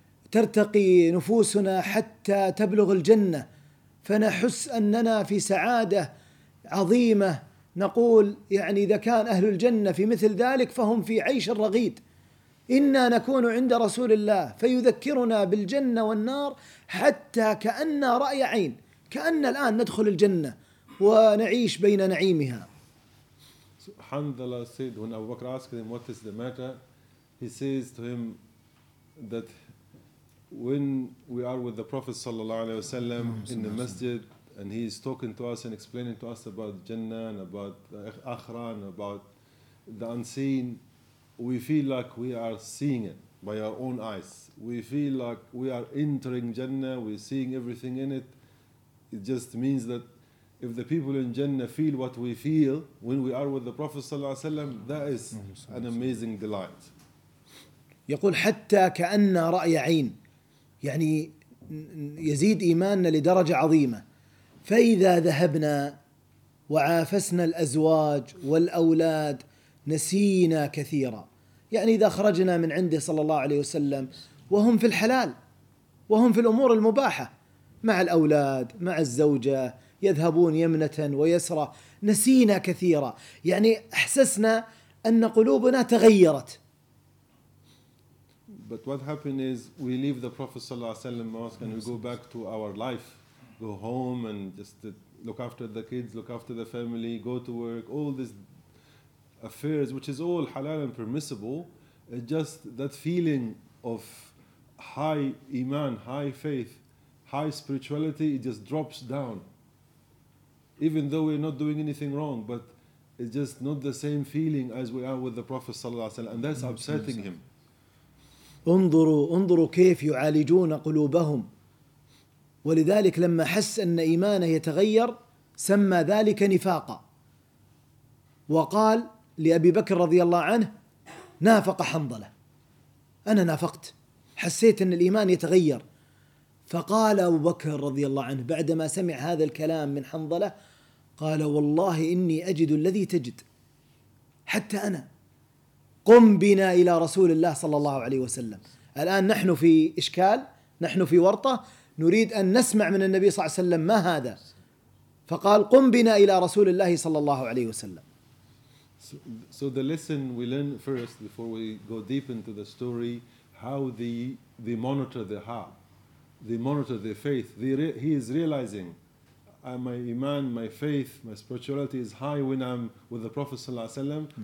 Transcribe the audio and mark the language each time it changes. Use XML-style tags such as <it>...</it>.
<ar>ترتقي نفوسنا حتى تبلغ الجنة فنحس أننا في سعادة عظيمة, نقول يعني إذا كان أهل الجنة في مثل ذلك فهم في عيش الرغيد. إنا نكون عند رسول الله فيذكرنا بالجنة والنار حتى كأننا رأي عين, كأن الآن ندخل الجنة ونعيش بين نعيمها.</ar> <en>So, Hanzala said, when Abu Bakr asked him what is the matter, he says to him that when we are with the Prophet صلى الله عليه وسلم in the masjid and he is talking to us and explaining to us about Jannah and about Akhirah and about the unseen, we feel like we are seeing it by our own eyes. We feel like we are entering Jannah, we're seeing everything in it. It just means that if the people in Jannah feel what we feel when we are with the Prophet صلى الله عليه وسلم, that is an amazing delight.</en> <ar>يقول حتى كأن رأي عين, يعني يزيد إيماننا لدرجة عظيمة. فإذا ذهبنا وعافسنا الأزواج والأولاد نسينا كثيرا, يعني إذا خرجنا من عنده صلى الله عليه وسلم وهم في الحلال وهم في الأمور المباحة مع الأولاد مع الزوجة يذهبون يمنة ويسرة نسينا كثيرا, يعني أحسسنا أن قلوبنا تغيرت.</ar> <en>But what happened is we leave the Prophet صلى الله عليه وسلم mosque and we go back to our life, go home and just look after the kids, look after the family, go to work, all this affairs, which is all halal and permissible, just that feeling of high iman, high faith, high spirituality, it just drops down. Even though we're not doing anything wrong, but it's just not the same feeling as we are with the Prophet صلى الله عليه وسلم, and that's upsetting him.</en> <ar>انظروا كيف يعالجون قلوبهم, ولذلك لما حس أن إيمانه يتغير سمى ذلك نفاقا وقال لأبي بكر رضي الله عنه نافق حنظلة, أنا نافقت حسيت أن الإيمان يتغير. فقال أبو بكر رضي الله عنه بعدما سمع هذا الكلام من حنظلة، قال والله إني أجد الذي تجد، حتى أنا قم بنا إلى رسول الله صلى الله عليه وسلم. الآن نحن في إشكال، نحن في ورطة، نريد أن نسمع من النبي صلى الله عليه وسلم ما هذا، فقال قم بنا إلى رسول الله صلى الله عليه وسلم.</ar> <en>So the lesson we learn first before we go deep into the story, how they monitor the heart, they monitor their faith. He is realizing, my iman, my faith, my spirituality is high when I'm with the Prophet sallallahu alaihi wasallam.</en>